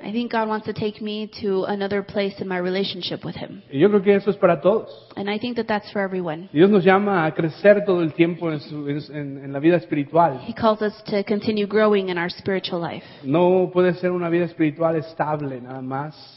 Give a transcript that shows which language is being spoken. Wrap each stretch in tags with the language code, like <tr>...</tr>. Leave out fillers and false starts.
<en>I think God wants to take me to another place in my relationship with Him.</en> <es>Y yo creo que eso es para todos.</es> <en>And I think that that's for everyone.</en> <es>Dios nos llama a crecer todo el tiempo en la vida espiritual.</es> <en>He calls us to continue growing in our spiritual life.</en> <es>No puede ser una vida espiritual estable nada más.</es>